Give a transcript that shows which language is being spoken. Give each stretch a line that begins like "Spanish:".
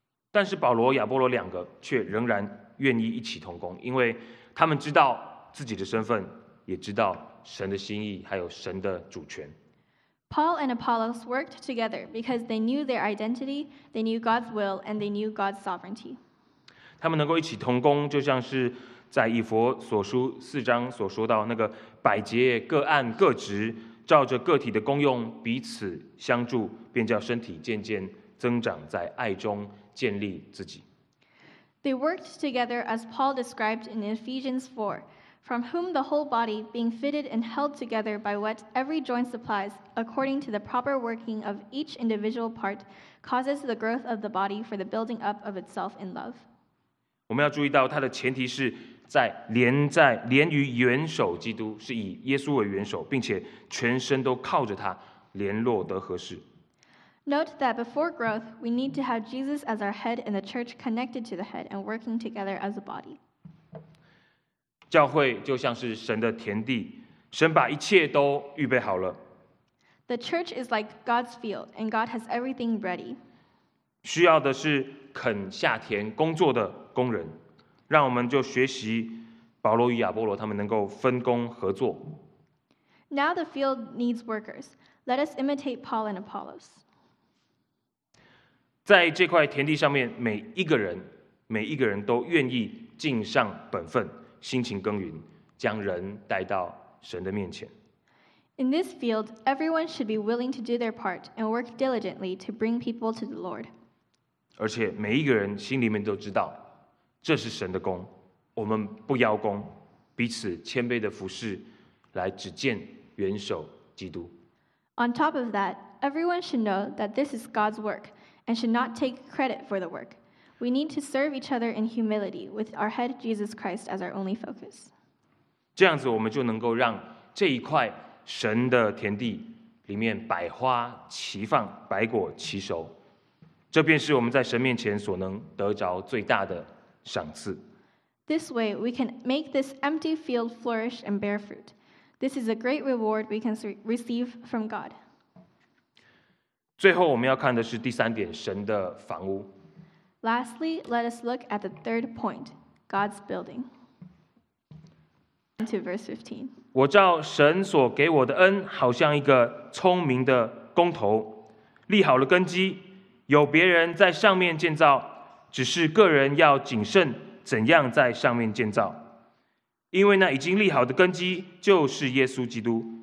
Chinese: 但是保罗、亚波罗两个却仍然愿意一起同工，因为他们知道自己的身份，也知道神的心意，还有神的主权。
English: Paul and Apollos worked together because they knew their identity, they knew God's will, and they knew God's sovereignty.
Chinese: 他们能够一起同工，就像是在以弗所书四章所说到那个百节各按各职，照着个体的功用彼此相助，便叫身体渐渐增长，在爱中建立自己。
English: They worked together as Paul described in Ephesians 4. From whom the whole body, being fitted and held together by what every joint supplies, according to the proper working of each individual part, causes the growth of the body for the building up of itself in love.
Chinese: 我们要注意到它的前提是在连在连于元首基督，是以耶稣为元首，并且全身都靠着他联络得合适。
English: Note that before growth, we need to have Jesus as our head and the church connected to the head and working together as a body.
Chinese: 教会就像是神的田地，神把一切都预备好了。
English: The church is like God's field, and God has everything ready.
Chinese: 需要的是肯下田工作的工人，让我们就学习保罗与亚波罗，他们能够分工合作。
English: Now the field needs workers. Let us imitate Paul and Apollos.
Chinese: 在这块田地上面，每一个人都愿意尽上本分。辛勤耕耘，将人带到神的面前。
English: In this field, everyone should be willing to do their part and work diligently to bring people to the Lord.
Chinese: 而且每一个人心里面都知道，这是神的工，我们不邀功，彼此谦卑的服侍，来只见元首基督。
English: On top of that, everyone should know that this is God's work and should not take credit for the work. We need to serve each other in humility with our head Jesus Christ as our only focus.
Chinese: 这样子我们就能够让这一块神的田地里面百花齐放，百果齐熟。这便是我们在神面前所能得着最大的赏赐。
English: This way, we can make this empty field flourish and bear fruit. This is a great reward we can receive from God.
Chinese: 最后我们要看的是第三点，神的房屋。
English: Lastly, let us look at the third point, God's building. Into verse 15.
Chinese: 我照神所给我的恩，好像一个聪明的工头，立好了根基，有别人在上面建造，只是个人要谨慎怎样在上面建造，因为那已经立好的根基就是耶稣基督。